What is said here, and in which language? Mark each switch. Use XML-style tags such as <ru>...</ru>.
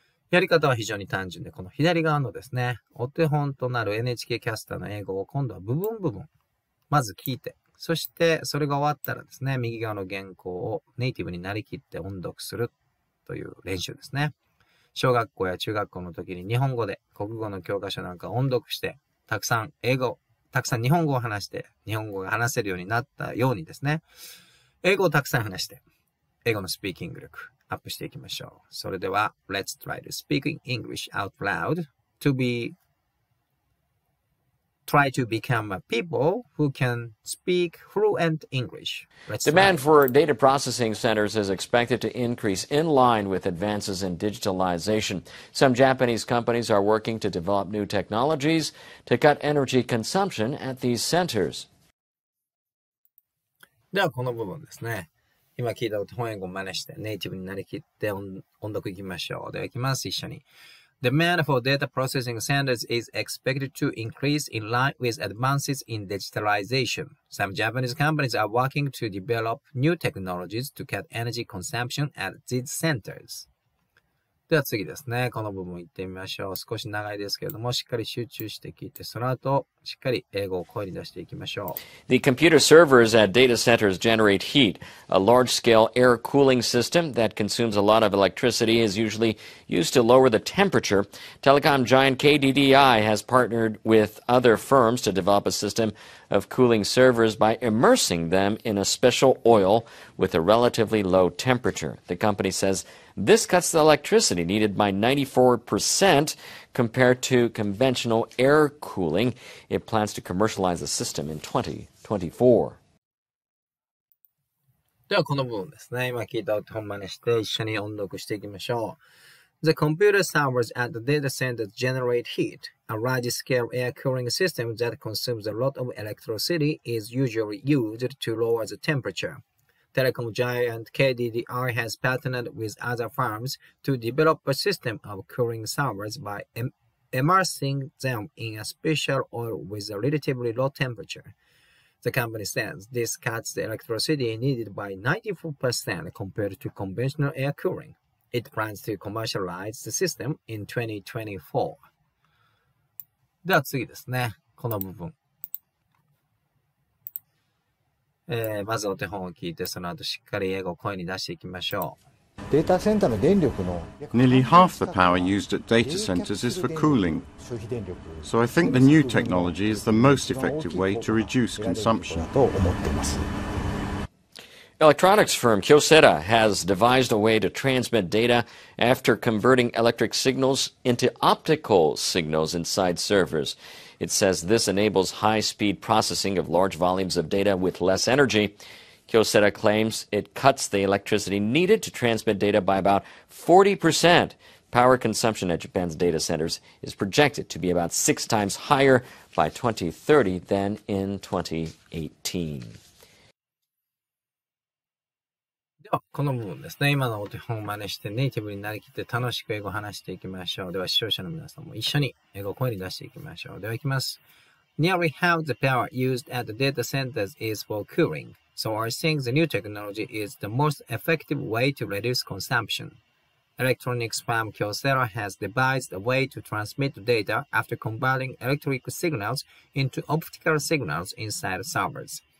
<ja>やり方は非常に単純で、この左側のですね、お手本となる NHK キャスターの英語を今度は部分部分、まず聞いて、そしてそれが終わったらですね、右側の原稿をネイティブになりきって音読するという練習ですね。小学校や中学校の時に日本語で国語の教科書なんか音読して、たくさん英語、たくさん日本語を話して、日本語が話せるようになったようにですね、英語をたくさん話して、英語のスピーキング力、アップしていきましょう。それでは、</ja> <en>Let's try to speak English out loud to be, try to become a people who can speak fluent English. Demand for data processing centers is expected to increase in line with advances in digitalization. Some Japanese companies are working to develop new technologies to cut energy consumption at these centers.</en> <ja>ではこの部分ですね。今聞いた本英語を真似してネイティブになりきって音読いきましょう。ではいきます、一緒に。</ja> <en>Demand for data processing centers is expected to increase in line with advances in digitalization. Some Japanese companies are working to develop new technologies to cut energy consumption at these centers.</en> <ja>では次ですね、この部分いってみましょう。少し長いですけれども、しっかり集中して聞いて、その後、しっかり英語を声に出していきましょう。</ja> <en>The computer servers at data centers generate heat. A large-scale air cooling system that consumes a lot of electricity is usually used to lower the temperature. Telecom giant KDDI has partnered with other firms to develop a system of cooling servers by immersing them in a special oil with a relatively low temperature. The company says this cuts the electricity needed by 94%compared to conventional air cooling. It plans to commercialize the system in 2024.</en> <ja>ではこの部分ですね。今聞いた音真似して一緒に音読していきましょう。</ja> <en>The computer servers at the data center generate heat. A large-scale air cooling system that consumes a lot of electricity is usually used to lower the temperature. Telecom giant KDDI has partnered with other firms to develop a system of cooling servers by immersing them in a special oil with a relatively low temperature. The company says this cuts the electricity needed by 94% compared to conventional air cooling. It plans to commercialize the system in 2024.</en> <ja>では次ですね、この部分。まずお手本を聞いて、その後しっかり英語を声に出していきましょう。データセンターの電力の</ja> <en>Nearly half the power used at data centers is for cooling. So I think the new technology is the most effective way to reduce consumption. Electronics firm Kyocera has devised a way to transmit data after converting electric signals into optical signals inside servers. It says this enables high-speed processing of large volumes of data with less energy. Kyocera claims it cuts the electricity needed to transmit data by about 40%. Power consumption at Japan's data centers is projected to be about six times higher by 2030 than in 2018.</en> <ja>ではこの部分ですね、今のお手本を真似してネイティブになりきって楽しく英語を話していきましょう。では視聴者の皆さんも一緒に英語を声に出していきましょう。ではいきます。</ja> <en>Nearly half the power used at the data centers is for cooling, so I think the new technology is the most effective way to reduce consumption. Electronics firm Kyocera has devised a way to transmit data after converting electrical signals into optical signals inside servers.</en>